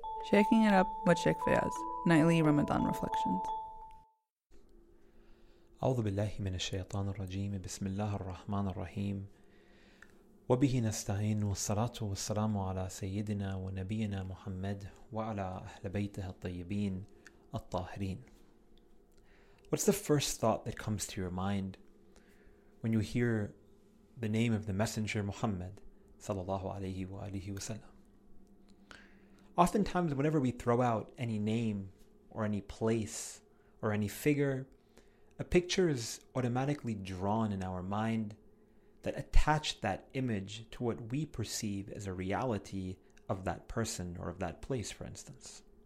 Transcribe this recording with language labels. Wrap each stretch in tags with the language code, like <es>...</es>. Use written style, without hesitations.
<en>Shaking it up with Sheikh Fayaz, nightly Ramadan reflections.</en> <ar>أعوذ بالله من الشيطان الرجيم بسم الله الرحمن الرحيم وبه نستعين والصلاة والسلام على سيدنا ونبينا محمد وعلى أهل بيته الطيبين الطاهرين.</ar> <en>What's the first thought that comes to your mind when you hear the name of the messenger Muhammad</en> <ar>صلى الله عليه وآله وسلم?</ar> <en>Oftentimes whenever we throw out any name or any place or any figure, a picture is automatically drawn in our mind that attached that image to what we perceive as a reality of that person or of that place, for instance.</en>